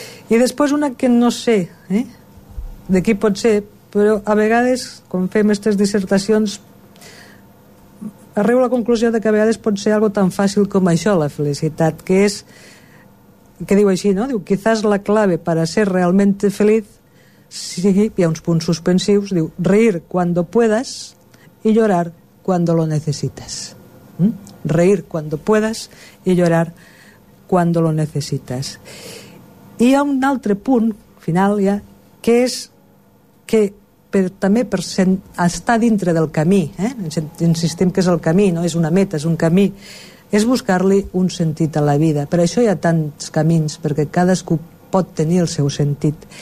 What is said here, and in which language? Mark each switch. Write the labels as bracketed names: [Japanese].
[Catalan] I després una que no sé de qui pot ser, però a vegades quan fem aquestes dissertacions arribo a la conclusió de que a vegades pot ser algo tan fàcil com això, la felicitat, que és que diu així, no? Diu, [Spanish] quizás la clave para ser realmente feliz [Catalan] sigui, hi ha uns punts suspensius, diu, [Spanish] reír cuando puedas y llorar cuando lo necesitas. Reír cuando puedas y llorar cuando lo necesitas. [Catalan] I hi ha un altre punt final, ja, que és que per, també per estar dintre del camí, insistim que és el camí, no és una meta, és un camí, és buscar-li un sentit a la vida. Per això hi ha tants camins, perquè cadascú pot tenir el seu sentit.